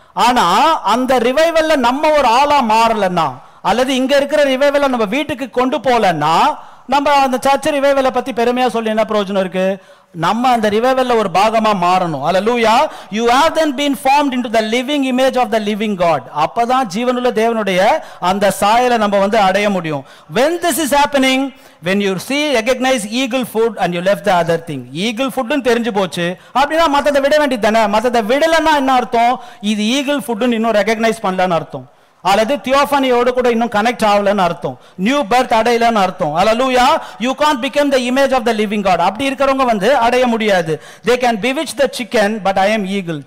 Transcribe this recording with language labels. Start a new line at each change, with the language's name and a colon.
Tamil: ஆனா அந்த ரிவைவல்ல நம்ம ஒரு ஆளா மாறலன்னா, அல்லது இங்க இருக்கிற ரிவைவல்ல நம்ம வீட்டுக்கு கொண்டு போகலன்னா, நம்ம அந்த சர்ச் ரிவைவல பத்தி பெருமையா சொல்லி என்ன பிரயோஜனம் இருக்கு? நம்ம அந்த ரிவைவல்ல ஒரு பாகமா மாறணும். ஹல்லேலூயா!
English: You have then been formed into the living image of the living God.
Tamil: அப்பதான் ஜீவனுள்ள தேவனுடைய அந்த சாயலை நம்ம வந்து அடைய முடியும்.
English: When this is happening, when you see, recognize eagle food and you left the other thing.
Tamil: Eagle food னு தெரிஞ்சு போச்சு அப்படின்னா மத்ததை விட வேண்டியதானே? மத்ததை விடலன்னா என்ன அர்த்தம்? இது ஈகிள் ஃபுட்னு இன்னும் ரெகக்னைஸ் பண்ணலன்னு அர்த்தம். அல்லது தியோபானியோட கூட இன்னும் கனெக்ட் ஆகலன்னு அர்த்தம். நியூ பர்த் அடையலன்னு அர்த்தம். ஹல்லேலூயா!
English: You can't become the image of the living God.
Tamil: அப்படி இருக்கிறவங்க வந்து அடைய முடியாது.
English: They can be with the chicken but I am eagle.